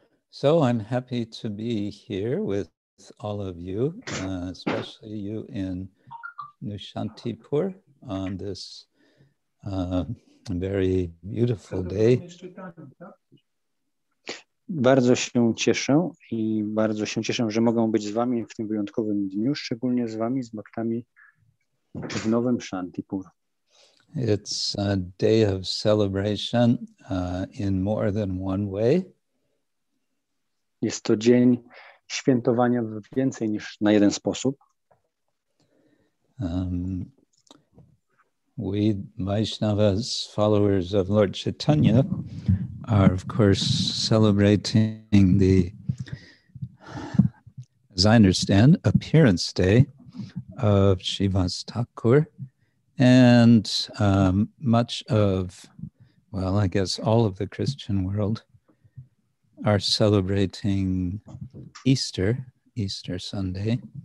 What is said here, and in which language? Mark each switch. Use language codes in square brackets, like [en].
[en] So I'm happy to be here with all of you, especially you in Nushantipur on this very beautiful day. [pl] Bardzo się cieszę i bardzo się cieszę, że mogę być z wami w tym wyjątkowym dniu, szczególnie z wami, z bhaktami w Nowym Shantipur. [en] It's a day of celebration in more than one way. [pl] Jest to dzień świętowania w więcej niż na jeden sposób. [en] We Vaishnavas, followers of Lord Chaitanya, are of course celebrating the, as I understand, appearance day of Shri Vas Thakur, and much of, well, I guess all of the Christian world are celebrating Easter Sunday.